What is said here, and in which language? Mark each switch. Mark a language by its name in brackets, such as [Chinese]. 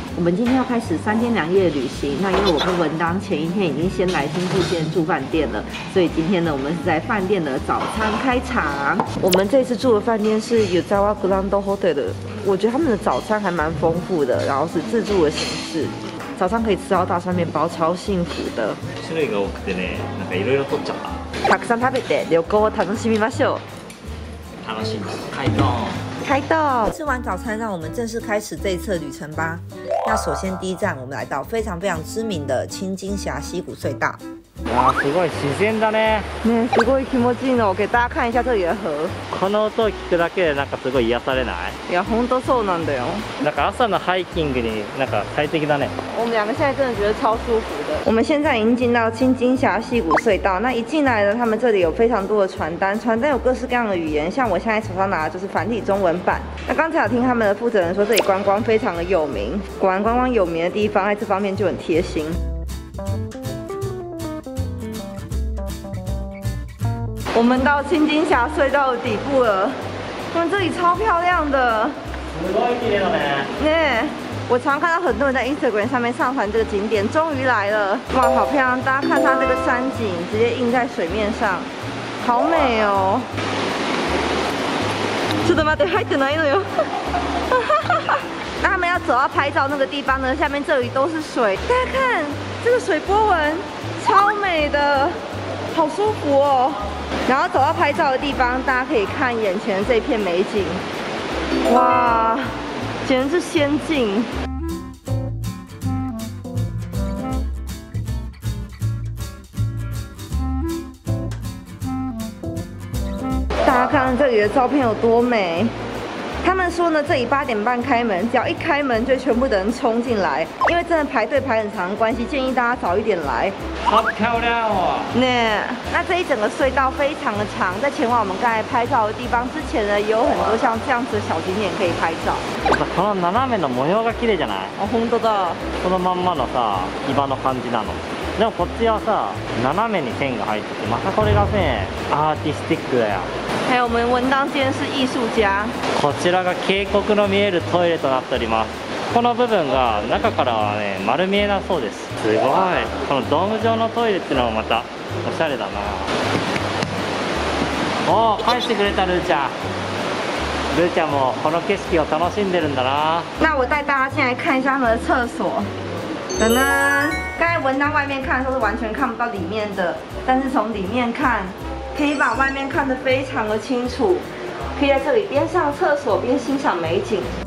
[Chinese] 我们今天要开始三天两夜的旅行。那因为我跟文当前一天已经先来新细县住饭店了，所以今天呢，我们是在饭店的早餐开场。我们这次住的饭店是 Yuzawa Grand Hotel 的，我觉得他们的早餐还蛮丰富的，然后是自助的形式。早上可以吃到大蒜面包，超幸福的。 [Japanese] 種類が多くてね、なんかいろいろ取っちゃった。たくさん食べて旅行を楽しみましょう。楽しみ。開道。開道。 [Chinese] 吃完早餐，让我们正式开始这一次旅程吧。那首先第一站，我们来到非常非常知名的青金峡溪谷隧道。 [Japanese] 哇，すごい自然だね。ね、すごい気持ちいいの。 [Chinese] 给大家看一下这里的河。 [Japanese] この音を聞くだけでなんかすごい癒されない？いや、本当そうなんだよ。なんか朝のハイキングになんか快適だね。 [Chinese] 我们两个现在真的觉得超舒服的。我们现在已经进到青金峡溪谷隧道。那一进来呢，他们这里有非常多的传单，传单有各式各样的语言，像我现在手上拿的就是繁体中文版。那刚才有听他们的负责人说，这里观光非常的有名。果然，观光有名的地方在这方面就很贴心。我们到青金峡隧道的底部了，哇，这里超漂亮的， [Japanese] すごい綺麗だね。 [Chinese] ね，我常看到很多人在 Instagram 上面上传这个景点，终于来了，哇，好漂亮！大家看它这个山景，直接映在水面上，好美哦。 [Japanese] ちょっと待って、入ってないのよ。 [Chinese] 那他们要走到拍照那个地方呢？下面这里都是水，大家看这个水波纹，超美的，好舒服哦。然后走到拍照的地方，大家可以看眼前的这片美景，哇，简直是仙境。大家看看这里的照片有多美。他们说呢，这里八点半开门，只要一开门就全部的人冲进来，因为真的排队排很长的关系，建议大家早一点来。好漂亮哦！那这一整个隧道非常的长，在前往我们刚才拍照的地方之前呢，有很多像这样子的小景点可以拍照。 [Japanese] この斜めの模様が綺麗じゃない？あ、本当だ。このまんまのさ、岩の感じなの。でもこっちはさ、斜めに線が入ってて、またこれがね、アーティスティックだよ。 [Chinese] 还有我们文当先是艺术家。 [Japanese] こちらが渓谷の見えるトイレとなっております。この部分が中からはね丸見えなそうです。すごい。このドーム状のトイレっていうのもまたおしゃれだな。おお、返してくれたルーちゃん。ルーちゃんもこの景色を楽しんでるんだな。 [Chinese] 那我带大家先来看一下他们的厕所。噔噔，刚才文当外面看的时候是完全看不到里面的，但是从里面看。可以把外面看得非常的清楚，可以在这里边上厕所边欣赏美景。